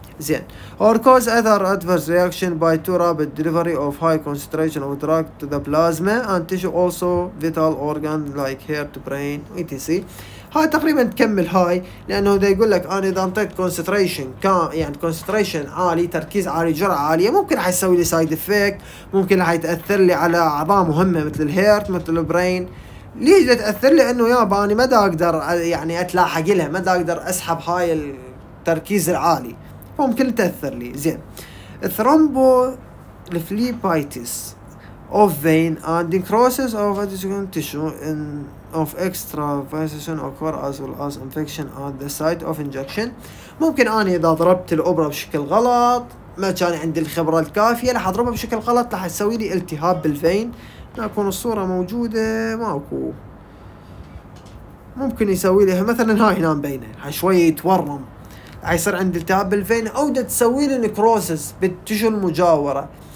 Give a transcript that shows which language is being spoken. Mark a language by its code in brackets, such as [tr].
[ar] زين [en] or cause other adverse reaction by too rapid delivery of high concentration of drug to the plasma and tissue also vital organ like heart brain etc. [ar] هاي تقريبا تكمل هاي، لانه ده يقول لك انا اذا انطيت concentration كان يعني concentration عالي تركيز عالي جرعة عالية ممكن حيسوي لي سايد افكت، ممكن حيتأثر لي على اعضاء مهمة مثل الهيرت مثل البرين. ليش ده تأثر لي؟ انه يابا انا ما اقدر يعني اتلاحق لها، ما اقدر اسحب هاي التركيز العالي، ممكن تأثر لي. زين [en] thrombo lephlebitis of vein and necrosis of adjacent tissue in of extravasation occur as well as infection at the site of injection. [ar] ممكن أنا إذا ضربت الأبرة بشكل غلط، ما كان عندي الخبرة الكافية، لح أضربها بشكل غلط لح يسوي لي التهاب بالفين. ما أكون الصورة موجودة، ماكو، ممكن يسوي لي مثلا هاي هنا مبينه شوية يتورم، حيصير عندي التهاب بالفين، أو ده تسوي لي نكروسس بالتشو المجاورة.